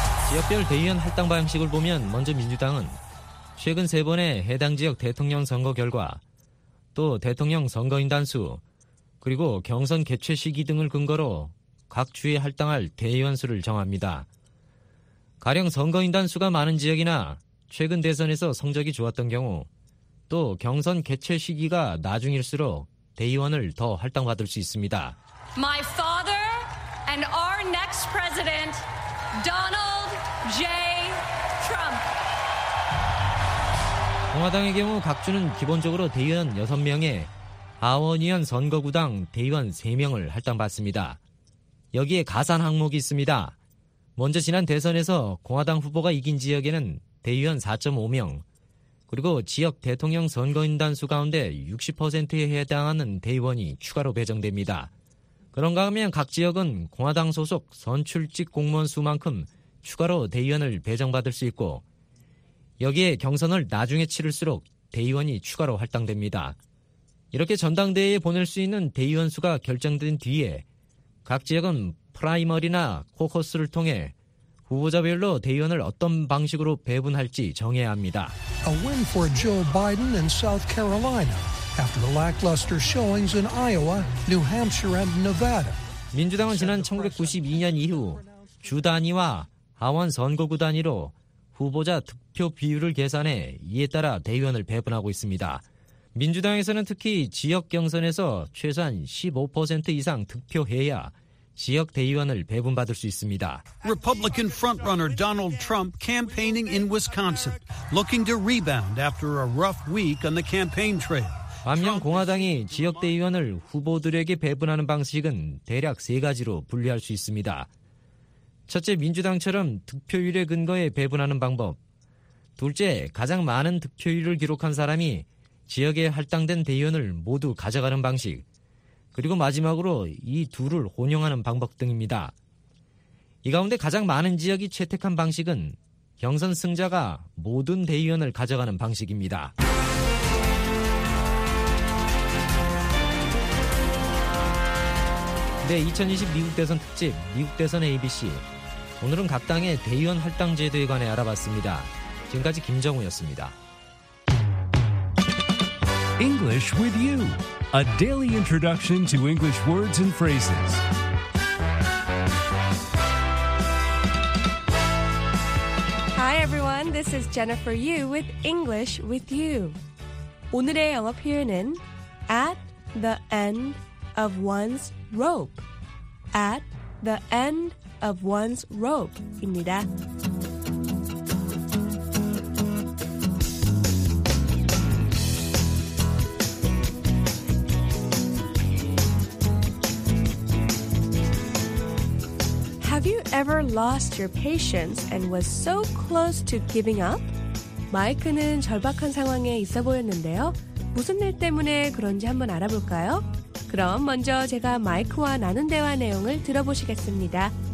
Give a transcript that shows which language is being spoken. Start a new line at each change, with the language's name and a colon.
Korean: 지역별 대의원 할당 방식을 보면 먼저 민주당은 최근 세 번의 해당 지역 대통령 선거 결과 또 대통령 선거인단 수 그리고 경선 개최 시기 등을 근거로 각 주에 할당할 대의원 수를 정합니다. 가령 선거인단 수가 많은 지역이나 최근 대선에서 성적이 좋았던 경우 또 경선 개최 시기가 나중일수록 대의원을 더 할당받을 수 있습니다.
English: My father and our next president, Donald J. Trump.
Korean: 공화당의 경우 각 주는 기본적으로 대의원 6명에 하원의원 선거구당 대의원 3명을 할당받습니다. 여기에 가산 항목이 있습니다. 먼저 지난 대선에서 공화당 후보가 이긴 지역에는 대의원 4.5명, 그리고 지역 대통령 선거인단 수 가운데 60%에 해당하는 대의원이 추가로 배정됩니다. 그런가 하면 각 지역은 공화당 소속 선출직 공무원 수만큼 추가로 대의원을 배정받을 수 있고, 여기에 경선을 나중에 치를수록 대의원이 추가로 할당됩니다. 이렇게 전당대회에 보낼 수 있는 대의원 수가 결정된 뒤에 각 지역은 프라이머리나 코커스를 통해 후보자별로 대의원을 어떤 방식으로 배분할지 정해야 합니다.
English: A win for Joe Biden in South Carolina after the lackluster showings in Iowa, New Hampshire and Nevada.
Korean: 민주당은 지난 1992년 이후 주 단위와 하원 선거구 단위로 후보자 득표 비율을 계산해 이에 따라 대의원을 배분하고 있습니다. 민주당에서는 특히 지역 경선에서 최소한 15% 이상 득표해야 지역 대의원을 배분받을 수 있습니다. Republican frontrunner Donald Trump campaigning in Wisconsin, looking to rebound after a rough week on the campaign trail. 반면 공화당이 지역 대의원을 후보들에게 배분하는 방식은 대략 세 가지로 분류할 수 있습니다. 첫째, 민주당처럼 득표율에 근거해 배분하는 방법. 둘째, 가장 많은 득표율을 기록한 사람이 지역에 할당된 대의원을 모두 가져가는 방식. 그리고 마지막으로 이 둘을 혼용하는 방법 등입니다. 이 가운데 가장 많은 지역이 채택한 방식은 경선 승자가 모든 대의원을 가져가는 방식입니다. 네, 2020 미국 대선 특집 미국 대선 ABC. 오늘은 각 당의 대의원 할당 제도에 관해 알아봤습니다. 지금까지 김정우였습니다.
English: English with you. A daily introduction to English words and phrases. Hi everyone, this is Jennifer Yu with English with you.
Korean: 오늘의 영어 표현은
English: at the end of one's rope. At the end of one's rope입니다. Ever lost your patience and was so close to giving up?
Korean: 마이크는 절박한 상황에 있어 보였는데요. 무슨 일 때문에 그런지 한번 알아볼까요? 그럼 먼저 제가 마이크와 나눈 대화 내용을 들어보시겠습니다.